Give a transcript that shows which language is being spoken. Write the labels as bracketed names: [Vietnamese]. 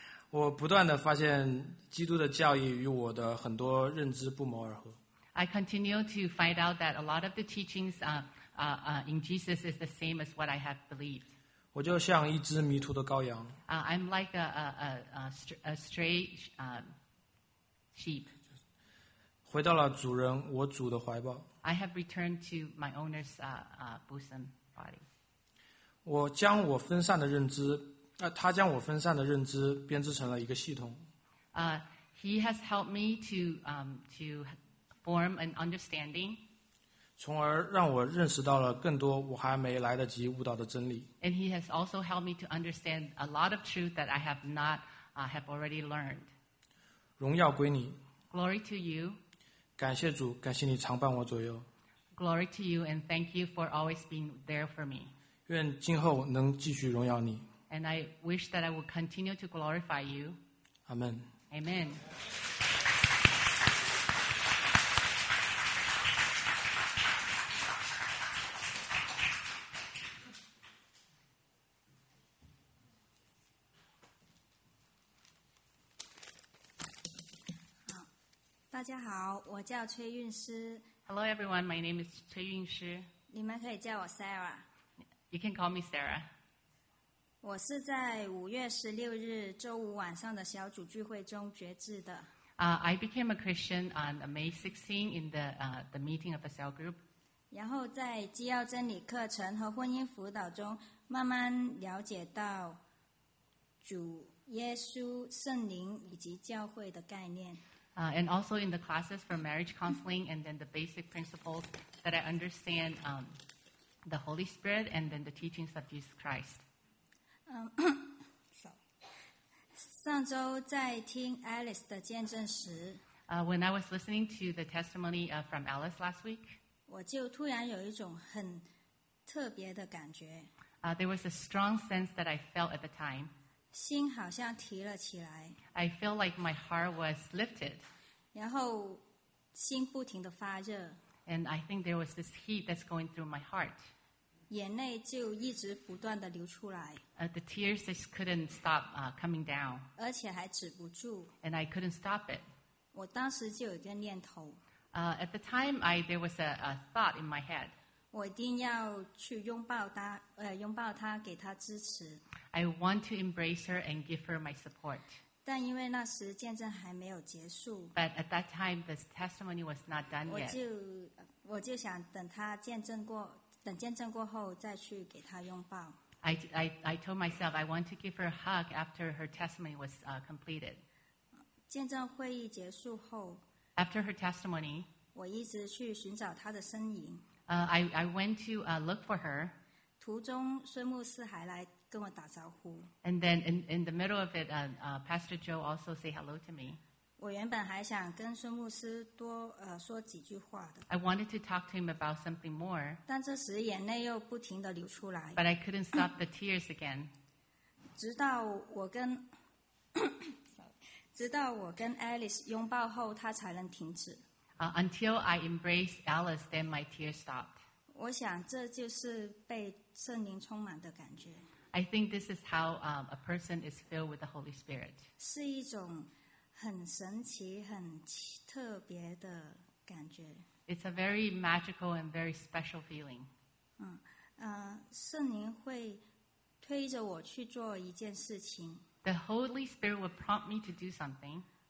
[Chinese] 我不断地发现基督的教义与我的很多认知不谋而合。 [English] I continue to find out that a lot of the teachings in Jesus is the same as what I have believed. [Chinese] 我就像一只迷途的羔羊。 [English] I'm like a stray sheep. [Chinese] 回到了主人，我主的怀抱。 [English] I have returned to my owner's bosom body. [Chinese] 我将我分散的认知他将我分散的认知编织成了一个系统。 [English] He has helped me to form an understanding. [Chinese] 从而让我认识到了更多我还没来得及悟到的真理。 [English] And he has also helped me to understand a lot of truth that I have not have already learned. [Chinese] 荣耀归你。 [English] Glory to you. [Chinese] 感谢主，感谢你常伴我左右。 [English] Glory to you and thank you for always being there for me. [Chinese] 愿今后能继续荣耀你。 [English] And I wish that I will continue to glorify you. Amen. Amen. [Chinese] 大家好，我叫崔韵诗。 [English] Hello everyone, my name is 崔韵诗。 [Chinese] 你们可以叫我 Sarah. [English] You can call me Sarah. [Chinese] 我是在5月16日周五晚上的小组聚会中觉知的。 [English] I became a Christian on May 16 in the meeting of a cell group. [Chinese] 然后在基要真理课程和婚姻辅导中慢慢了解到主耶稣、圣灵以及教会的概念。 [English] And also in the classes for marriage counseling and then the basic principles that I understand the Holy Spirit and then the teachings of Jesus Christ. [Chinese] 上周在听 Alice 的见证时 [English] When I was listening to the testimony from Alice last week, [Chinese] 我就突然有一种很特别的感觉 [English] There was a strong sense that I felt at the time. [Chinese] 心好像提了起来 [English] I feel like my heart was lifted. [Chinese] 然后心不停地发热 [English] And I think there was this heat that's going through my heart. [Chinese] 眼泪就一直不断地流出来。 [English] The tears just couldn't stop coming down. [Chinese] 而且还止不住。 [English] And I couldn't stop it. [Chinese] 我当时就有一个念头。 [English] At the time, there was a thought in my head. [Chinese] 我一定要去拥抱她，给她支持。 [English] I want to embrace her and give her my support. [Chinese] 但因为那时见证还没有结束。 [English] But at that time, the testimony was not done yet. [Chinese] 我就想等她见证过。等见证过后再去给她拥抱。 [English] I told myself I want to give her a hug after her testimony was completed. [Chinese] 见证会议结束后 [English] After her testimony, [Chinese] 我一直去寻找她的身影。 [English] I went to look for her. [Chinese] 途中孙牧师还来跟我打招呼。 [English] And then in the middle of it, Pastor Joe also say hello to me. [Chinese] 我原本还想跟孙牧师多说几句话的。 [English] I wanted to talk to him about something more. [Chinese] 但这时眼泪又不停地流出来。 [English] But I couldn't stop the tears again. [Chinese] 直到我跟 Alice 拥抱后，她才能停止。 [English] Until I embraced Alice, then my tears stopped. [Chinese] 我想这就是被圣灵充满的感觉。 [English] I think this is how a person is filled with the Holy Spirit. [Chinese] 是一种很神奇、很特别的感觉。 [English] It's a very magical and very special feeling. [Chinese] 圣灵会推着我去做一件事情。 [English] The Holy Spirit will prompt me to do something.